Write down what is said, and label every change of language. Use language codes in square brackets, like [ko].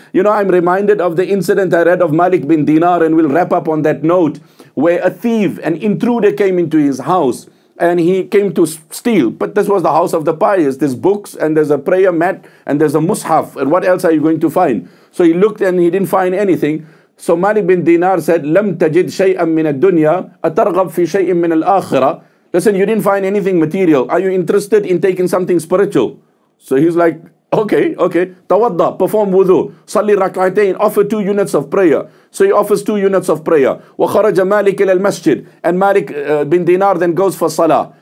[en] You know, I'm reminded of the incident I read of Malik bin Dinar, and we'll wrap up on that note, where a thief, an intruder, came into his house. And he came to steal. But this was the house of the pious. There's books and there's a prayer mat and there's a mushaf. And what else are you going to find? So he looked and he didn't find anything. So Malik bin Dinar said, [ar] لَمْ تَجِدْ شَيْئًا مِنَ الدُّنْيَا أَتَرْغَبْ فِي شَيْءٍ مِنَ الْآخِرَةِ. [en] Listen, you didn't find anything material. Are you interested in taking something spiritual? So he's like, okay. [ar] تَوَضَّ, [en] perform wudu. [ar] صَلِّ رَكْعَتَيْن, [en] offer 2 units of prayer. So he offers 2 units of prayer. [ar] وَخَرَجَ مَالِكِ إِلَى الْمَسْجِدِ. [en] And Malik bin Dinar then goes for salah.